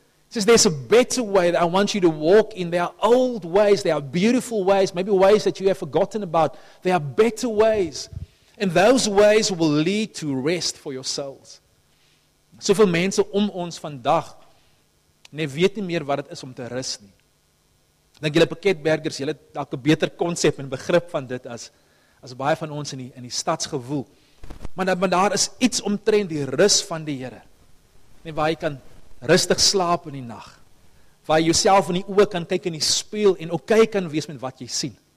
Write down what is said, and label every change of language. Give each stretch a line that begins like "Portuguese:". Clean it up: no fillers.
English: Says there's a better way that I want you to walk in. There are old ways, there are beautiful ways, maybe ways that you have forgotten about. There are better ways. And those ways will lead to rest for your souls.
Afrikaans: Soveel mense om ons vandag nee, weet nie meer wat het is om te rus nie. Dink julle pakketbergers, julle het dalk 'n beter konsep en begrip van dit as baie van ons in die stadsgewoel. Maar daar is iets omtrent die rus van die Here. Nee, waar jy kan rustig slaap in die nag. Waar jy jouself in die oë kan kyk in die spieël en okay kan wees met wat jy sien.